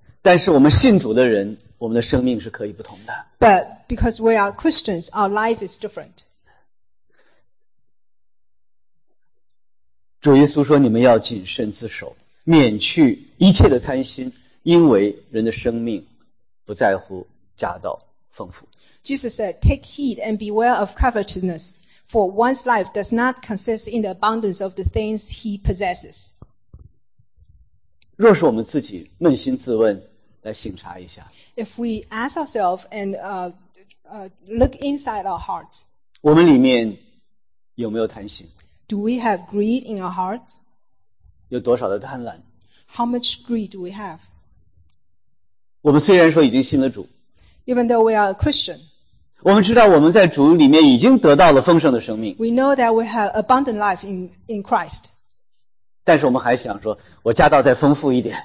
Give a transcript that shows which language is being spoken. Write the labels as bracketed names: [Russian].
[Chinese] 但是我们信主的人，我们的生命是可以不同的。 [English] But because we are Christians, our life is different. [Chinese] 主耶稣说：“你们要谨慎自守，免去一切的贪心，因为人的生命不在乎家道丰富。” [English] Jesus said, "Take heed and beware of covetousness, for one's life does not consist in the abundance of the things he possesses." [Chinese] 若是我们自己扪心自问，来省察一下。 [English] If we ask ourselves and look inside our hearts, [Chinese] 我们里面有没有贪心 [English] ？Do we have greed in our hearts? [Chinese] 有多少的贪婪 [English] ？How much greed do we have? [Chinese] 我们虽然说已经信了主 [English] ，Even though we are a Christian, [Chinese] 我们知道我们在主里面已经得到了丰盛的生命。 [English] We know that we have abundant life in Christ. [Chinese] 但是我们还想说我家道再丰富一点。